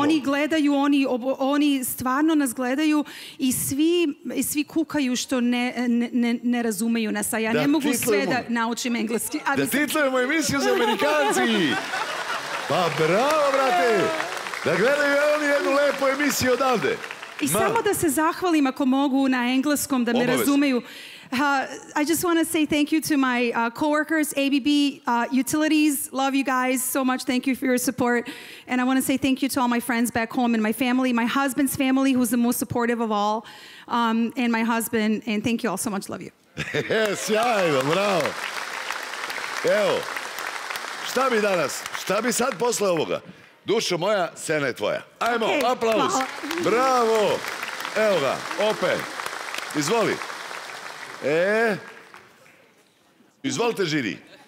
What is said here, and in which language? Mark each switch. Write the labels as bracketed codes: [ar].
[sr] Oni gledaju, oni stvarno nas gledaju i svi kukaju što ne razumeju nas. A ja da ne mogu sve da naučim engleski. Da titlujemo emisiju za Amerikanci. Pa bravo, brate. Da gledaju oni jednu lepu emisiju odavde. I samo da se zahvalim ako mogu na engleskom da me razumeju. [en] I just want to say thank you to my coworkers, ABB Utilities. Love you guys so much. Thank you for your support. And I want to say thank you to all my friends back home and my family, my husband's family, who's the most supportive of all, and my husband. And thank you all so much. Love you. [sr] Yes, sjajno, bravo. Evo, šta bi danas, šta bi sad posle ovoga? Dušo moja, scena je tvoja. Ajmo, okay, aplauz. Bravo. Evo ga, opet. Izvoli. E, izvolite, žiri.